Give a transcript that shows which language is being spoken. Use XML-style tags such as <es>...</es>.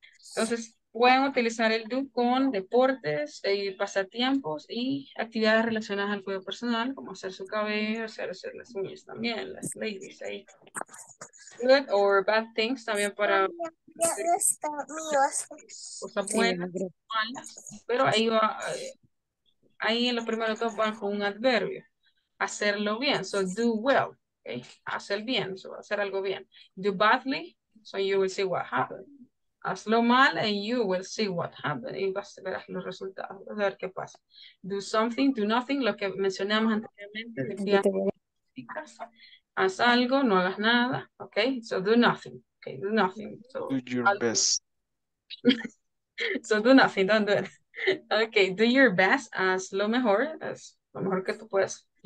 <es>Entonces, pueden utilizar el do con deportes, pasatiempos y actividades relacionadas al cuidado personal, como hacer su cabello, hacer las uñas también, las ladies ahí.</es> <en>Good or bad things también para...</en> <es>cosas buenas, malas, pero ahí va, ahí en los primeros dos van con un adverbio. Hacerlo bien,</es> <en>so do well.</en> <es>Okay. Hacer bien, so hacer algo bien.</es> <en>Do badly, so you will see what happens.</en> <es>Hazlo mal</es> <en>and you will see what happens.</en> <es>Y vas a ver los resultados, vas a ver qué pasa.</es> <en>Do something, do nothing,</en> <es>lo que mencionamos anteriormente. Haz algo, no hagas nada,</es> <en>ok? So do nothing, ok? Do nothing. So, do your algo. Best. So do nothing, don't do it. Ok, do your best,</en> <es>haz lo mejor que tú puedes.</es>